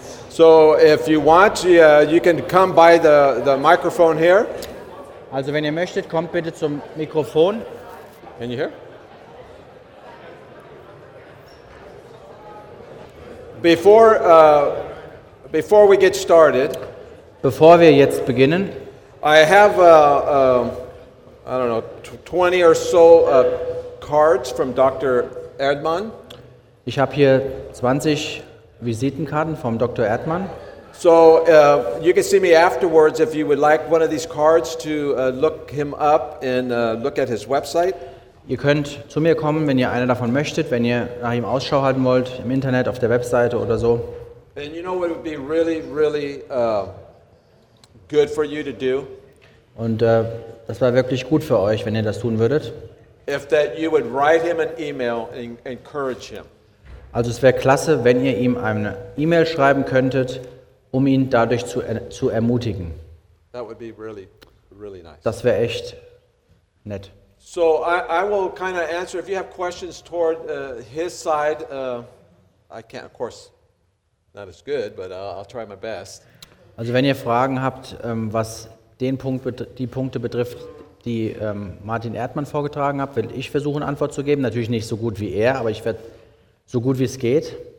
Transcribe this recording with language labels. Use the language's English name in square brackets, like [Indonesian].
[English] So if you want, you can come by the microphone here. [German] Also wenn ihr möchtet, kommt bitte zum Mikrofon. [English] Can you hear? Before we get started. [German] Bevor wir jetzt beginnen. [English] I have, I don't know, 20 or so cards from Dr. Erdmann. [German] Ich habe hier 20 Visitenkarten vom Dr. Erdmann. [English] So you can see me afterwards if you would like one of these cards to look him up and look at his website. [German] Ihr könnt zu mir kommen, wenn ihr eine davon möchtet, wenn ihr nach ihm Ausschau halten wollt, im Internet, auf der Webseite oder so. [English] And you know what would be really, really good for you to do? [German] Und das wäre wirklich gut für euch, wenn ihr das tun würdet. [English] If that you would write him an email and encourage him. [German] Also es wäre klasse, wenn ihr ihm eine E-Mail schreiben könntet, um ihn dadurch zu ermutigen. [English] That would be really, really nice. [German] Das wäre echt nett. [English] So I will kind of answer if you have questions toward his side. I can't, of course, not as good, but I'll try my best. [German] Also wenn ihr Fragen habt, was den Punkt, die Punkte betrifft, die Martin Erdmann vorgetragen hat, will ich versuchen, Antwort zu geben. Natürlich nicht so gut wie er, aber ich werde so gut wie es geht.